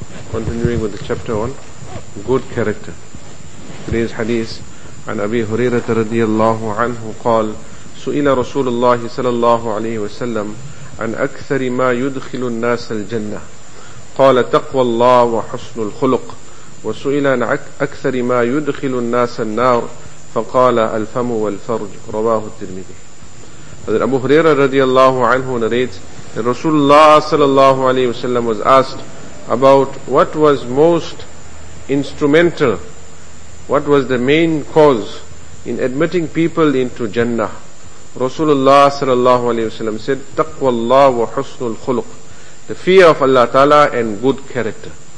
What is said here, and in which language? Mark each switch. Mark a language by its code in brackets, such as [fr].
[en] Continuing with the chapter on good character. Today's hadith [ar] عن أبي هريرة رضي الله عنه قال سئل رسول الله صلى الله عليه وسلم عن أكثر ما يدخل الناس الجنة قال تقوى الله وحسن الخلق وسئل عن أكثر ما يدخل الناس النار فقال الفم والفرج رواه الترمذي. أبو هريرة رضي الله عنه [en] narrates that Rasulullah sallallahu alayhi wasallam was asked about what was most instrumental, what was the main cause in admitting people into Jannah. Rasulullah sallallahu alayhi wasallam said, [ar] "Taqwa Allah wa husnul khuluq," [en] the fear of Allah Ta'ala and good character.